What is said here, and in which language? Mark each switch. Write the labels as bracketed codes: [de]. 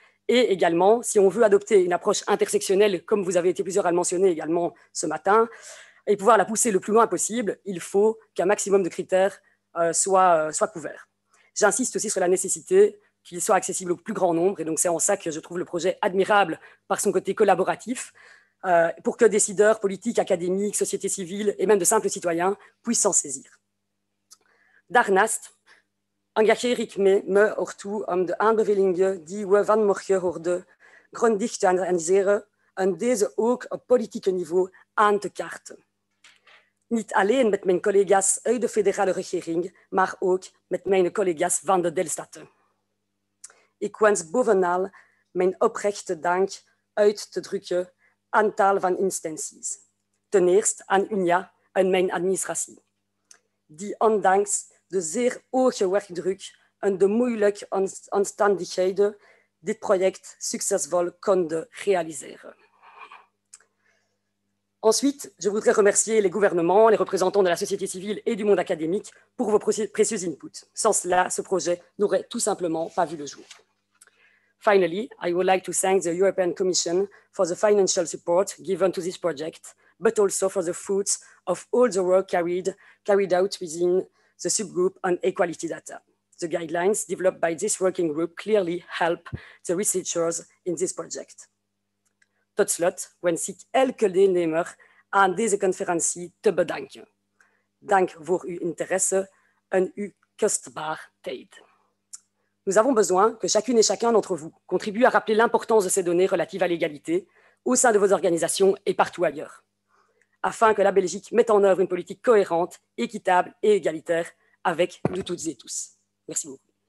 [fr] Et également, si on veut adopter une approche intersectionnelle, comme vous avez été plusieurs à le mentionner également ce matin, et pouvoir la pousser le plus loin possible, il faut qu'un maximum de critères soit couvert. J'insiste aussi sur la nécessité qu'il soit accessible au plus grand nombre, et donc c'est en ça que je trouve le projet admirable par son côté collaboratif. pour que décideurs politiques, académiques, société civile et même de simples citoyens puissent s'en saisir. [nl] Darnast, engagé rythmé, me hortou, homme de Anbevelinge, dit we van morgen horde, grondicht en zere, en deze ook op politieke niveau aan te kaarten. Niet alleen met mijn collega's uit de federale regering, maar ook met mijn collega's van de Delstaten. Ik wens bovenal mijn oprechte dank uit te drukken aan tal van instanties. Ten eerste aan UNIA en mijn administratie, die ondanks de zeer hoge werkdruk en de moeilijke omstandigheden dit project succesvol konden realiseren. [fr] Ensuite, je voudrais remercier les gouvernements, les représentants de la société civile et du monde académique pour vos précieux inputs. Sans cela, ce projet n'aurait tout simplement pas vu le jour. [en] Finally, I would like to thank the European Commission for the financial support given to this project, but also for the fruits of all the work carried out within the subgroup on equality data. The guidelines developed by this working group clearly help the researchers in this project. [nl] Tot slot wens ik elke deelnemer aan deze conferentie te bedanken. Dank voor uw interesse en uw kostbare tijd. [fr] Nous avons besoin que chacune et chacun d'entre vous contribue à rappeler l'importance de ces données relatives à l'égalité au sein de vos organisations et partout ailleurs, afin que la Belgique mette en œuvre une politique cohérente, équitable et égalitaire avec nous toutes et tous. Merci beaucoup.